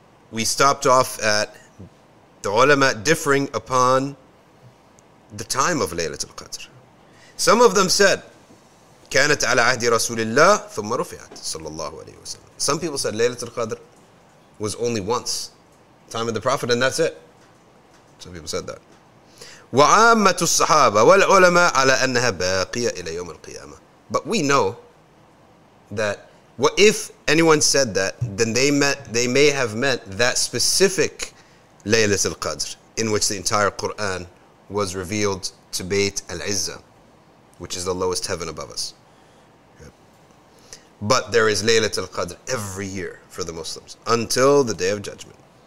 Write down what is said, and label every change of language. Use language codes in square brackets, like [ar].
[en] We stopped off at the ulama differing upon the time of Laylat Al-Qadr. Some of them said, [ar] كانت على عهد رسول الله ثم رفعت صلى الله عليه وسلم. [en] Some people said Laylat al-Qadr was only once, time of the Prophet, and that's it. Some people said that. [ar] وعامة الصحابة والعلماء على أنها باقية إلى يوم القيامة. [en] But we know that What if anyone said that, then they may have meant that specific Laylat al-Qadr, in which the entire Qur'an was revealed to Bayt al-Izzah, which is the lowest heaven above us. But there is Laylat al-Qadr every year for the Muslims, until the Day of Judgment.